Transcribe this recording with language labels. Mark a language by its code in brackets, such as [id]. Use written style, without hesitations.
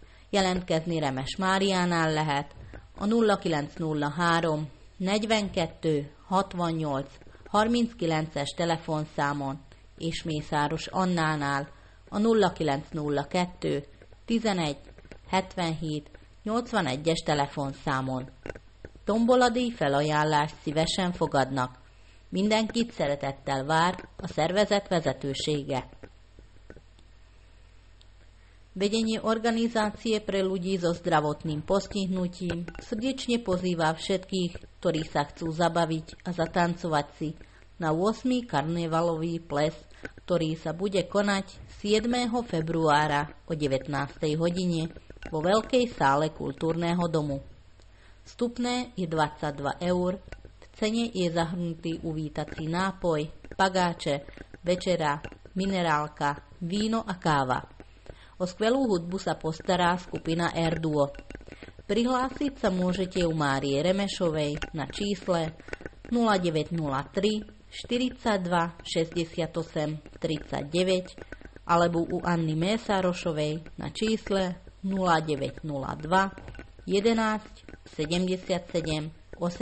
[hu] Jelentkezni Remes Máriánál lehet a 0903 42 68 39-es telefonszámon és Mészáros Annánál a 0902 11 77 81-es telefonszámon. Tombolady felajánlást szívesen fogadnak. Mindenkit szeretettel vár a szervezet vezetősége. [sk] Vedenie organizácie pre ľudí so zdravotným postihnutím srdečne pozýva všetkých, ktorí sa chcú zabaviť a zatancovať si na 8. karnevalový ples, ktorý sa bude konať 7. februára o 19. hodine vo Veľkej sále Kultúrneho domu. Vstupné je 22 eur, v cene je zahrnutý uvítací nápoj, pagáče, večera, minerálka, víno a káva. O skvelú hudbu sa postará skupina R-Duo. Prihlásiť sa môžete u Márie Remešovej na čísle 0903 42 68 39 alebo u Anny Mészárosovej na čísle 0902 11 77 81.